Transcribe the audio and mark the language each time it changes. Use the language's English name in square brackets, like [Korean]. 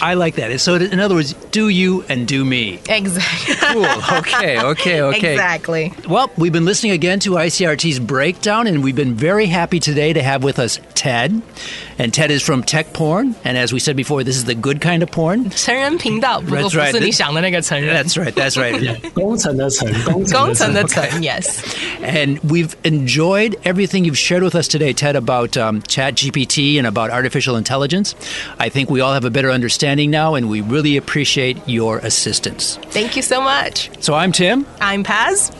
[English] I like that. So in other words, do you and do me. Exactly. Cool. Okay. Exactly. Well, we've been listening again to ICRT's breakdown, and we've been very happy today to have with us Ted. And Ted is from Techporn. And as we said before, this is the good kind of porn. [Chinese] 程人频道，不过不是你想的那个程人。 [English] That's right. That's right. [Chinese] 工程的程，工程的程。Yes. [English] And we've enjoyed everything you've shared with us today, Ted, about ChatGPT and about artificial intelligence. I think we all have a better understanding now, and we really appreciate your assistance. Thank you so much. So I'm Tim. I'm Paz.